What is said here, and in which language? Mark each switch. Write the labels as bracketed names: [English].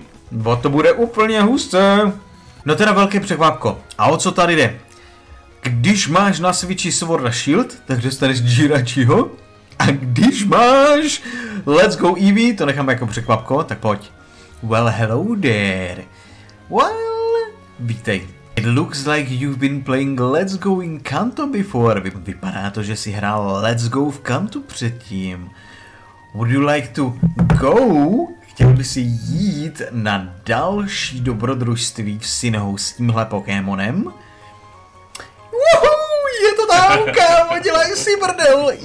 [Czech] Bo to bude úplně husté. No teda velké překvapko. A o co tady jde? Když máš na Switchi Sword a Shield, tak dostaneš Jirachiho. A když máš Let's Go Eevee, to necháme jako překvapko, tak pojď. [English] Well, hello there. Well, vítej. It looks like you've been playing Let's Go in Kanto before. [Czech] Vypadá to, že jsi hrál Let's Go v Kanto předtím. [English] Would you like to go? [Czech] Chtěl by si jít na další dobrodružství v Sinnohu s tímhle Pokémonem? Woohoo, je to tam, kámo, dělají si brdel.